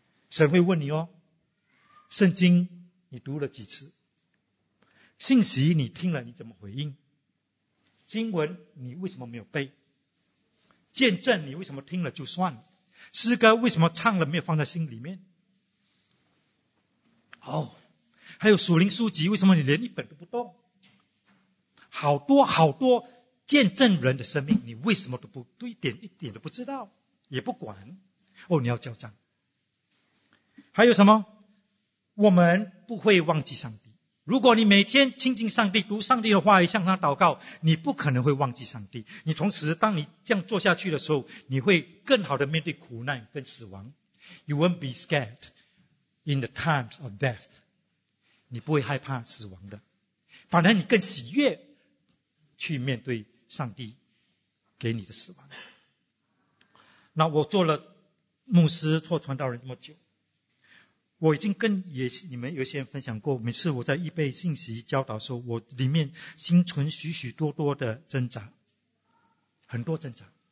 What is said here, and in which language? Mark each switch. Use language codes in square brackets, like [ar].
[zh] 神会问你，哦，圣经你读了几次，信息你听了你怎么回应，经文你为什么没有背，见证你为什么听了就算，诗歌为什么唱了没有放在心里面，哦，还有属灵书籍为什么你连一本都不动，好多好多见证人的生命，你为什么都不对，一点都不知道，也不管，哦，你要交账。还有什么？我们不会忘记上帝。如果你每天亲近上帝，读上帝的话语，向他祷告，你不可能会忘记上帝。你同时，当你这样做下去的时候，你会更好的面对苦难跟死亡。 [en] You won't be scared in the times of death. [zh] 你不会害怕死亡的，反而你更喜悦去面对上帝给你的死亡。那我做了牧师或传道人这么久，我已经跟你们有些人分享过，每次我在预备信息教导的时候，我里面心存许许多多的挣扎，很多挣扎。